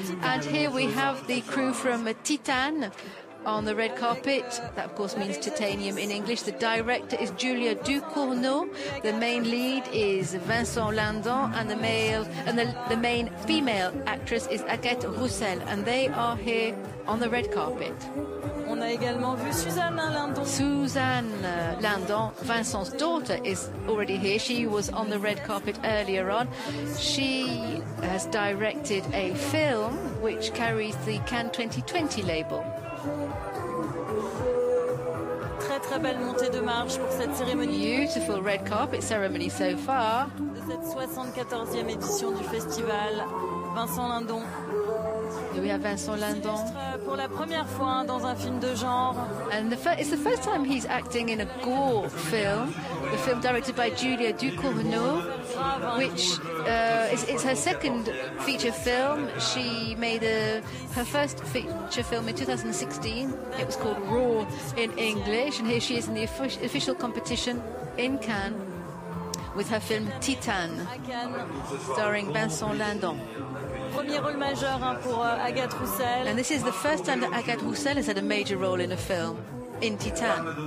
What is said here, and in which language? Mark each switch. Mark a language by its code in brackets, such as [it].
[en] And here we have the crew from Titan on the red carpet. That, of course, means titanium in English. The director is Julia Ducournau. The main lead is Vincent Lindon. And the main female actress is Agathe Roussel. And they are here on the red carpet. [fr] On a également vu Suzanne Lindon. [en] Suzanne Lindon, Vincent's daughter, is already here. She was on the red carpet earlier on. She has directed a film which carries the Cannes 2020 label. [fr] Très très belle montée de marche pour cette cérémonie. [en] Beautiful red carpet ceremony so far. [fr] De cette 74e édition du festival, Vincent Lindon. [en] We have Vincent Lindon. [fr] Pour la première fois dans un film de genre. [en] And it's the first time he's acting in a gore film, the film directed by Julia Ducournau, which it's her second feature film. She made her first feature film in 2016. It was called Raw in English. And here she is in the official competition in Cannes with her film Titan, starring Vincent Lindon. [fr] Premier rôle majeur pour Agathe Roussel. [en] And this is the first time that Agathe Roussel has had a major role in a film, in Titan.